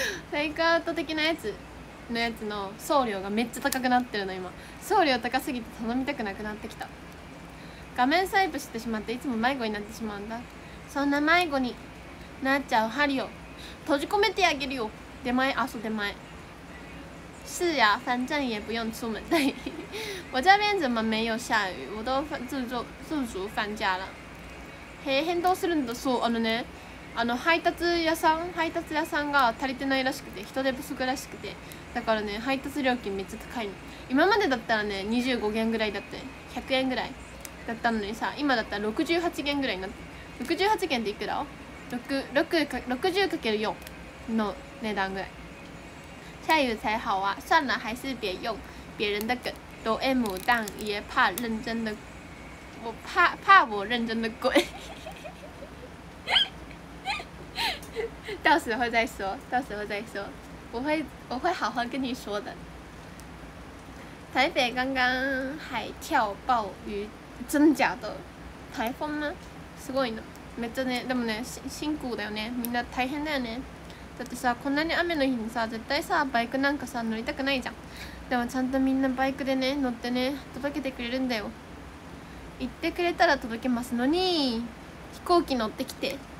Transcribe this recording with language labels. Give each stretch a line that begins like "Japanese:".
Japanese: テイクアウト的なやつの送料がめっちゃ高くなってるの今。送料高すぎて頼みたくなくなってきた。画面サイプしてしまっていつも迷子になってしまうんだ。そんな迷子になっちゃう針を閉じ込めてあげるよ。出前、あ、そう、出前
Chinese: 是呀，反正也不用出门。对，我这边怎么没有下雨？我都自主放假了。
Japanese: へ、変動するんだ。そう、あのね、あの配達屋さん、配達屋さんが足りてないらしくて、人手不足らしくて、だからね配達料金めっちゃ高い。今までだったらね25元ぐらいだって100円ぐらいだったのにさ、今だったら68元ぐらいになって、68元っていくら 60×4 の値段ぐらい。
Chinese: 下雨才好啊，算了，还是别用别人的梗。都 M 蛋也怕认真的，我怕我认真的滚。到时候再说，到时候再说，我会好好跟你说的。台北刚刚海啸暴雨，真假的？台风吗？
Japanese: すごいな。めっちゃね、でもね、辛苦だよね。みんな大変だよね。だってさ、こんなに雨の日にさ、絶対さ、バイクなんかさ、乗りたくないじゃん。でもちゃんとみんなバイクでね、乗ってね、届けてくれるんだよ。行ってくれたら届けますのに、飛行機乗ってきて。